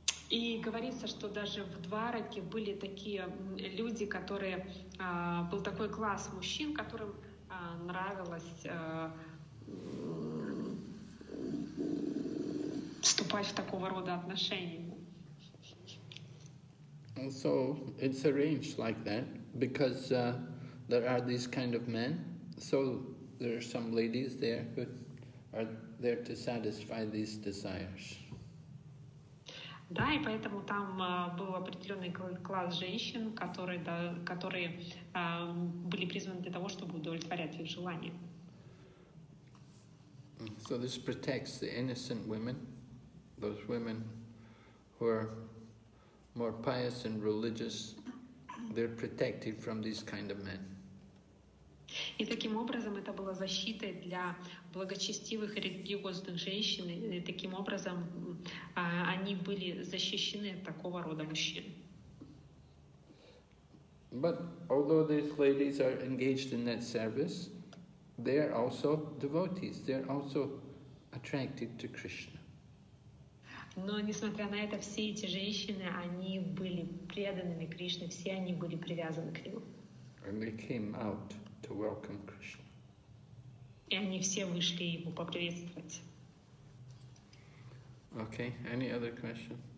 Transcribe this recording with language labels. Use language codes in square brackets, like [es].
[ru] И говорится, что даже в Двараке были такие люди, которые был такой класс мужчин, которым нравилось вступать в такого рода отношения. [en] So it's arranged like that because there are these kind of men. So there are some ladies there who are there to satisfy these desires. [ru] Да, и поэтому там был определенный класс женщин, которые были призваны для того, чтобы удовлетворять их желания. [en] So this protects the innocent women, those women who are more pious and religious, they're protected from these kind of men. [ru] И таким образом это было защитой для благочестивых религиозных женщин, и таким образом они были защищены от такого рода мужчин. [en] But although these ladies are engaged in that service, they are also devotees, they are also attracted to Krishna. [ru] Но несмотря на это, все эти женщины, они были преданными Кришне, все они были привязаны к Нему. [en] And they came out to welcome Krishna. [ru] И они все вышли Его поприветствовать. [en] Okay, any other question?